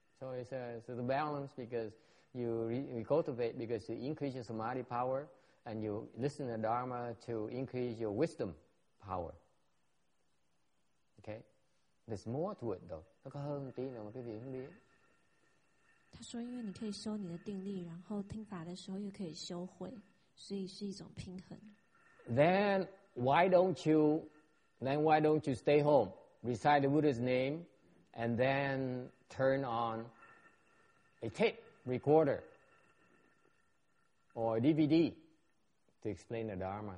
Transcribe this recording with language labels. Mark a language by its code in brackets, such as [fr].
[en] So it's the balance because you cultivate because you increase your samadhi power and you listen to dharma to increase your wisdom power. Okay? There's more to it though. [zh] 那个很低呢，我给你明白。他说，因为你可以修你的定力，然后听法的时候又可以修慧，所以是一种平衡。 [en] Then why don't you stay home? recite the Buddha's name, and then turn on a tape recorder or a DVD to explain the Dharma.